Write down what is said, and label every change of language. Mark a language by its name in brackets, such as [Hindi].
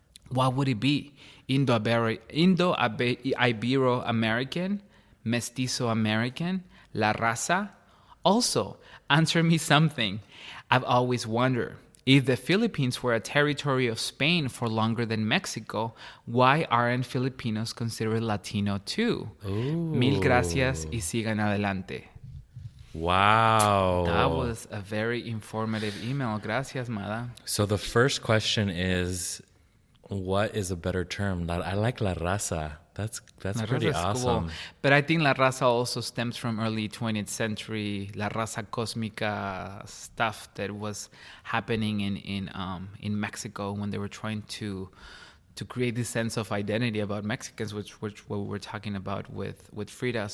[English] What would it be? Indo-Ibero-American? Mestizo-American? La raza? Also, answer me something. I've always wondered, if the Philippines were a territory of Spain for longer than Mexico, why aren't Filipinos considered Latino too? Ooh. [Spanish] Mil gracias y sigan adelante. Wow. [English] That was a very informative email. [Spanish] Gracias, Mada. [English] So the first question is, what is a better term? I like la raza. That's la pretty raza awesome. Cool. But I think la raza also stems from early 20th century, la raza cósmica stuff that was happening in Mexico when they were trying to create this sense of identity about Mexicans, which what we were talking about with Frida.